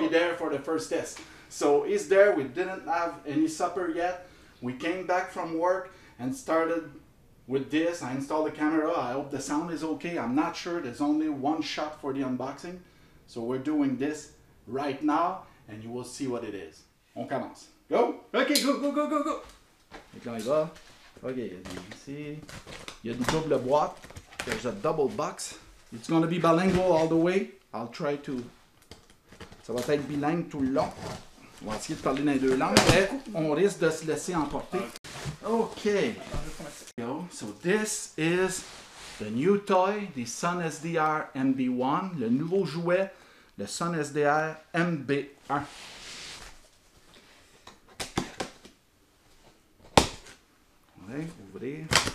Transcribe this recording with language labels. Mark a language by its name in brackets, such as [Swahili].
[English] And be there for the first test. So he's there. We didn't have any supper yet. We came back from work and started with this. I installed the camera. I hope the sound is okay. I'm not sure. There's only one shot for the unboxing. So we're doing this right now, and you will see what it is. [French] On commence. Go! [English] Okay, go! [French] Et quand il va? Ok, ici, il y a une double boîte. [English] There's a double box. It's gonna be bilingual all the way. I'll try to... [French] Ça va être bilingue tout le long. On va essayer de parler dans les deux langues, mais on risque de se laisser emporter. Ok. [English] So this is the new toy, the SunSDR MB1. [French] Le nouveau jouet, le SunSDR MB1. Ouvrir.